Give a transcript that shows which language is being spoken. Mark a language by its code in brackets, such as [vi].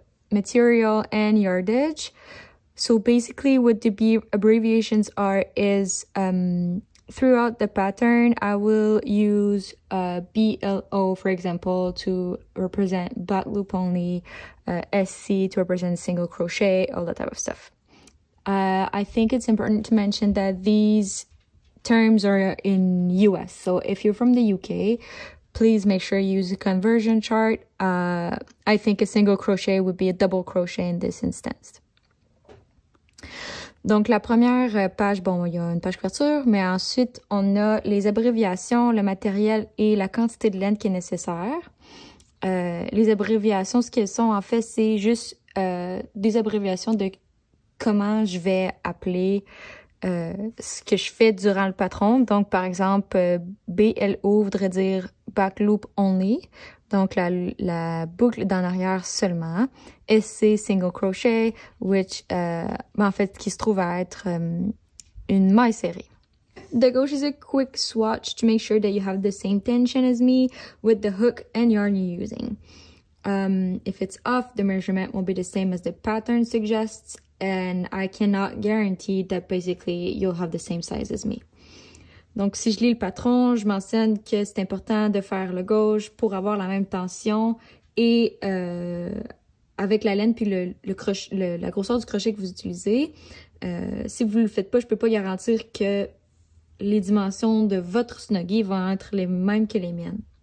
[en] Material and yardage. So basically what the abbreviations are is throughout the pattern I will use BLO for example to represent butt loop only, SC to represent single crochet, all that type of stuff. I think it's important to mention that these terms are in US, so if you're from the UK, please make sure you use a conversion chart. I think a single crochet would be a double crochet in this instance. [fr] Donc, la première page, bon, il y a une page couverture, mais ensuite, on a les abréviations, le matériel et la quantité de laine qui est nécessaire. Les abréviations, ce qu'elles sont, en fait, c'est juste des abréviations de comment je vais appeler ce que je fais durant le patron. Donc, par exemple, BLO voudrait dire [en] back loop only, [fr] donc la boucle d'en arrière seulement. SC, single crochet, which, en fait, qui se trouve à être une maille serrée. [en] The gauche is a quick swatch to make sure that you have the same tension as me with the hook and yarn you're using. If it's off, the measurement will be the same as the pattern suggests, and I cannot guarantee that basically you'll have the same size as me. [fr] Donc, si je lis le patron, je mentionne que c'est important de faire le gauche pour avoir la même tension et avec la laine puis la grosseur du crochet que vous utilisez. Si vous ne le faites pas, je ne peux pas garantir que les dimensions de votre snuggy vont être les mêmes que les miennes.